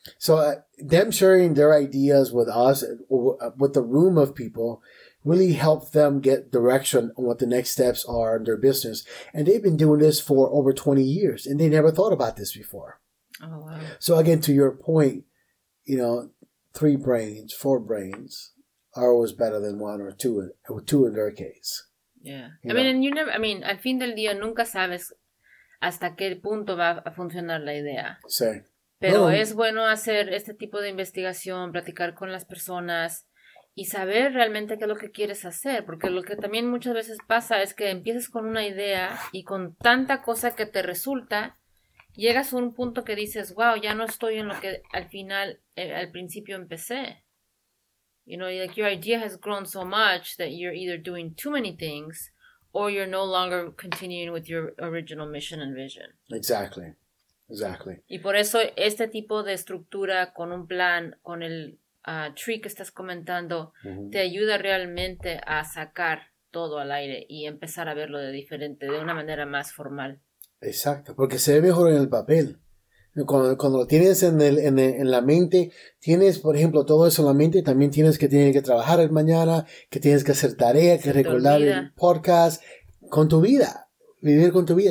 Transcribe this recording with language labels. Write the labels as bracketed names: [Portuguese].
[English] So them sharing their ideas with us, with the room of people, really helped them get direction on what the next steps are in their business. And they've been doing this for over 20 years, and they never thought about this before. Oh, wow. So again, to your point, you know, 3 brains, 4 brains are always better than 1 or 2 in their case. Yeah. I mean, [Spanish] al fin del día, nunca sabes hasta qué punto va a funcionar la idea. Sí. Pero es bueno hacer este tipo de investigación, platicar con las personas, y saber realmente qué es lo que quieres hacer, porque lo que también muchas veces pasa es que empiezas con una idea y con tanta cosa que te resulta, llegas a un punto que dices, wow, ya no estoy en lo que al final, al principio empecé. [English] You know, like your idea has grown so much that you're either doing too many things or you're no longer continuing with your original mission and vision. Exactly. Exactly. [Spanish] Y por eso este tipo de estructura con un plan, con el tree que estás comentando, te ayuda realmente a sacar todo al aire y empezar a verlo de diferente, de una manera más formal. Exacto, porque se ve mejor en el papel. Cuando lo tienes en la mente, tienes, por ejemplo, todo eso en la mente, también tienes que tener que trabajar el mañana, que tienes que hacer tarea, que recordar el podcast, con tu vida, vivir con tu vida.